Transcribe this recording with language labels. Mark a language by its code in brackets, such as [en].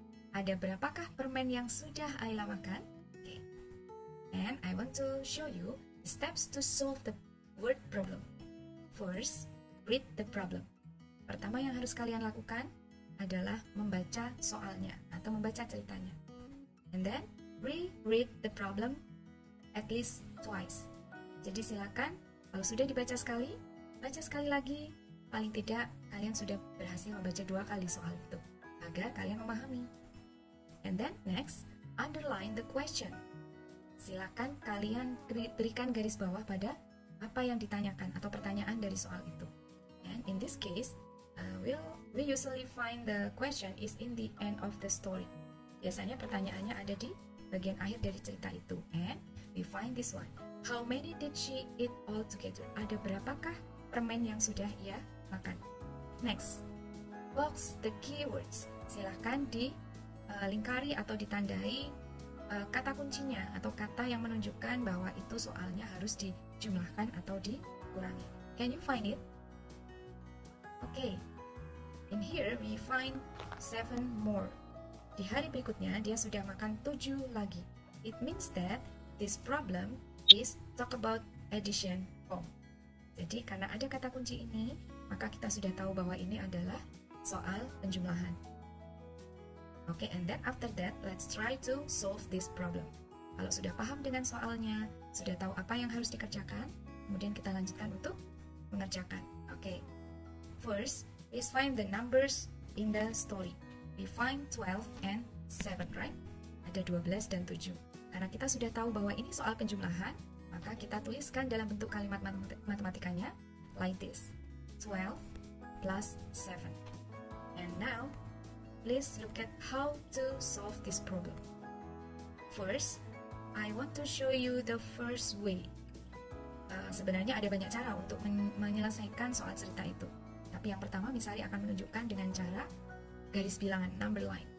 [id] Ada berapakah permen yang sudah Ayla makan? [en] Okay. And I want to show you steps to solve the word problem. First, read the problem. [id] Pertama yang harus kalian lakukan adalah membaca soalnya atau membaca ceritanya. [en] And then, reread the problem at least twice. [id] Jadi silakan. Kalau sudah dibaca sekali, baca sekali lagi. Paling tidak, kalian sudah berhasil membaca 2 kali soal itu, agar kalian memahami. [en] And then next, underline the question. [id] Silakan kalian berikan garis bawah pada apa yang ditanyakan atau pertanyaan dari soal itu. [en] And in this case, we usually find the question is in the end of the story. [id] Biasanya pertanyaannya ada di bagian akhir dari cerita itu. [en] And we find this one. How many did she eat all together? [id] Ada berapakah permen yang sudah ia makan? [en] Next, box the keywords. [id] Silakan dilingkari atau ditandai kata kuncinya atau kata yang menunjukkan bahwa itu soalnya harus dijumlahkan atau dikurangi. [en] Can you find it? Okay, in here we find 7 more. [id] Di hari berikutnya dia sudah makan 7 lagi. [en] It means that this problem is talk about addition form. [id] Jadi karena ada kata kunci ini, maka kita sudah tahu bahwa ini adalah soal penjumlahan. [en] Okay, and then after that, let's try to solve this problem. [id] Kalau sudah paham dengan soalnya, sudah tahu apa yang harus dikerjakan, kemudian kita lanjutkan untuk mengerjakan. [en] Okay, first, let's find the numbers in the story. We find 12 and 7, right? [id] Ada 12 dan 7. Karena kita sudah tahu bahwa ini soal penjumlahan, maka kita tuliskan dalam bentuk kalimat matematikanya [en] like this. 12 plus 7. And now, please look at how to solve this problem. First, I want to show you the first way. [id] Sebenarnya ada banyak cara untuk menyelesaikan soal cerita itu. Tapi yang pertama, misalnya akan menunjukkan dengan cara garis bilangan, number line.